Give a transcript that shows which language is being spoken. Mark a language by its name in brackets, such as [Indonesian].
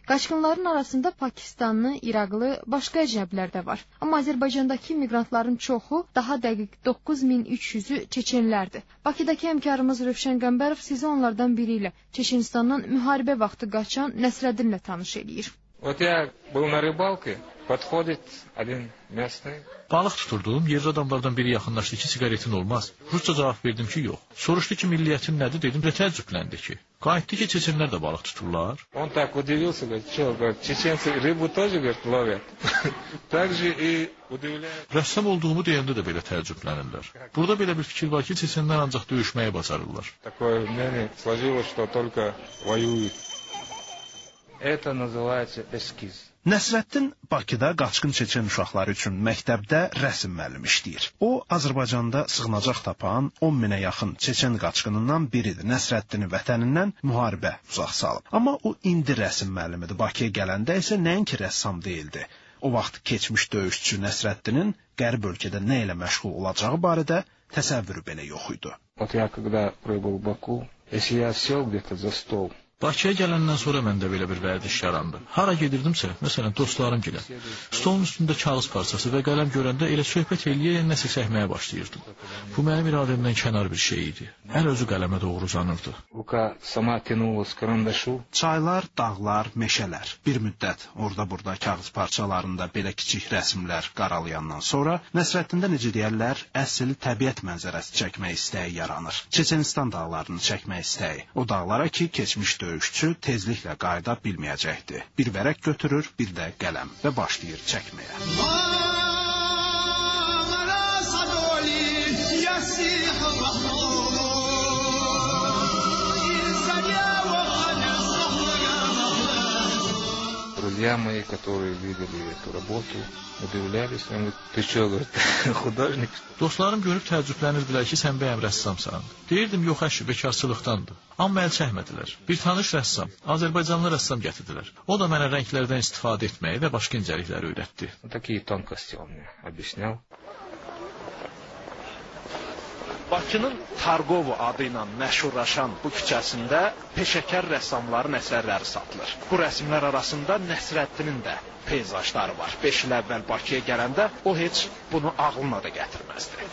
[Azerbaijani] Qaçqınların arasında Pakistanlı, İraqlı, başqa əcnəbilər də var. Amma Azərbaycandakı miqrantların çoxu, daha dəqiq 9300-ü çeçenlərdir. Bakıdakı həmkarımız Rövşən Qəmbərov sizi onlardan biri ilə Çeçenistandan müharibə vaxtı qaçan Nəsrəddinlə tanış eləyir. [Russian] Вот я был на рыбалке, подходит один местный. [Azerbaijani] Balıq tuturduğum yerli adamlardan biri yaxınlaşdı ki, siqaretin olmaz. Rusca cavab verdim ki, yox. Soruşdu ki, milliyyətin nədir, dedim, və təəccübləndi ki. Qayıtdı ki, çeçenlər də balıq tuturlar. [Russian] Он так удивился, говорит, что, говорит, чеченцы рыбу тоже, говорит, ловят. Также и удивляют. [Azerbaijani] Рәссам olduğumu deyəndə də belə təəccüblənirlər. Burada belə bir fikir var ki, çeçenlər ancaq döyüşməyi bacarırlar. [Russian] Такое мнение сложилось, что только воюют. Это называется эскиз. [Azerbaijani] Nəsrəddin Bakıda qaçqın çeçen uşaqları üçün məktəbdə rəsim müəllimi işləyir. O, Azərbaycanda sığınacaq tapan 10 minə yaxın çeçen qaçqınından biridir. Nəsrəddinin vətənindən müharibə uzaq salıb. Amma o indi rəsim müəllimidir. Bakıya gələndə isə nəinki rəssam deyildi. O vaxt keçmiş döyüşçü Nəsrəddinin qərb ölkədə nə ilə məşğul olacağı barədə təsəvvürü belə yox idi. [Russian] Вот я когда прибыл в Баку, если я сел где-то за стол. [Azerbaijani] Bakıya gələndən sonra məndə belə bir vərdiş yarandı. Hara gedirdimsə, məsələn, dostlarım gilə, stolun üstündə kağız parçası və qələm görəndə elə söhbət eləyə nəsə çəkməyə başlayırdım. Bu mənim iradəmdən kənar bir şey idi. Əl özü qələmə doğru uzanırdı. Çaylar, dağlar, meşələr. Bir müddət orada-burada kağız parçalarında belə kiçik rəsimlər qaralayandan sonra Nəsrəddində necə deyərlər, əsl təbiət mənzərəsi çəkmək istəyi yaranır. Çeçenistan dağlarını çəkmək istəyi. O dağlara ki, keçmiş döyüşçü tezliklə qayıda bilməyəcəkdi. Bir vərək götürür, bir də qələm və başlayır çəkməyə. [Russian] Друзья мои, которые видели эту работу, удивлялись, они говорят, ты что, говорит, художник? [Azerbaijani] Dostlarım görüb təəccüblənirdilər ki, sən bəyəm rəssamsan. Deyirdim, yox, əşi, bekarsılıqdandır. Amma əl çəkmədilər. Bir tanış rəssam, Azərbaycanlı rəssam gətirdilər. O da mənə rənglərdən istifadə etməyi və başqa incəlikləri öyrətdi. [Russian] Такие тонкости он мне объяснял. [Azerbaijani] Bakının Targovu adı ilə məşhurlaşan bu küçəsində peşəkar rəssamların əsərləri satılır. Bu rəsimlər arasında Nəsrəddinin də peyzajları var. 5 il əvvəl Bakıya gələndə o heç bunu ağlına da gətirməzdi.